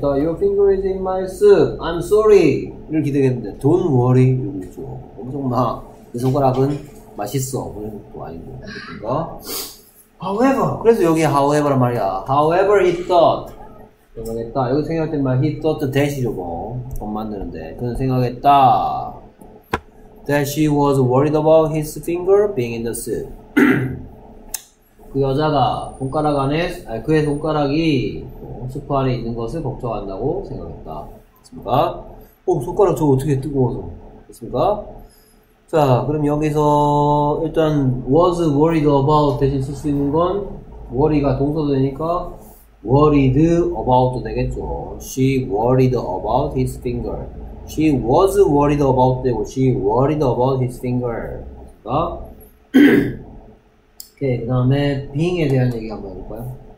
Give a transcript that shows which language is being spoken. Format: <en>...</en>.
<en>Your finger is in my soup. I'm sorry.</en> <ko>이를 기대했는데,</ko> <en>don't worry.</en> <ko>이거죠. 엄청나. 내 손가락은 맛있어. 그런 것도 아니고. 그러니까. However, 그래서 여기 however 란 말이야.</ko> <en>However he thought.</en> <ko>생각했다. 여기 생각할 때만 he thought that이죠. 뭐 돈 만드는데 그는 생각했다.</ko> <en>That she was worried about his finger being in the soup.</en> <ko>그 여자가 손가락 안에, 아니 그의 손가락이 수프 안에 있는 것을 걱정한다고 생각했다. 됐습니까? 오, 손가락 저 어떻게 뜨거워서. 됐습니까? 자, 그럼 여기서 일단 was worried about 대신 쓸 수 있는 건 worry가 동사도 되니까 worried about 되겠죠.</ko> <en>She worried about his finger. She was worried about</en> <ko>되고</ko> <en>she worried about his finger.</en> <ko>그러니까 오케이, 그 다음에 being에 대한 얘기 한번 해볼까요?</ko>